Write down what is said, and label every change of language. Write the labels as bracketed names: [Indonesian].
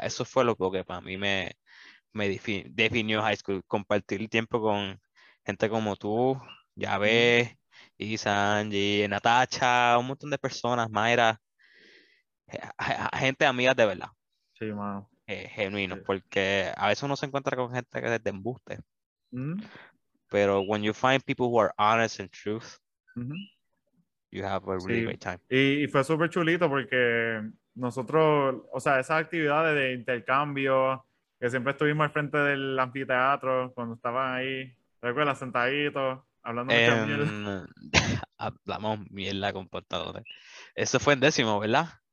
[Spanish] Eso fue lo que para mí me definió high school, compartir tiempo con gente como tú, Yabé, Isanji, Natacha, un montón de personas, Mayra, gente amiga de verdad. Sí, mano. Genuino, sí. Porque a veces uno se encuentra con gente que te embuste. [English] Pero when you find people who are honest and truth, you have a really great time. [Spanish] Y fue súper chulito porque nosotros, o sea, esas actividades de intercambio, que siempre estuvimos al frente del anfiteatro cuando estaban ahí, recuerda, sentaditos, hablando mucha mierda. Hablamos mierda con portadores. Eso fue en décimo, ¿verdad?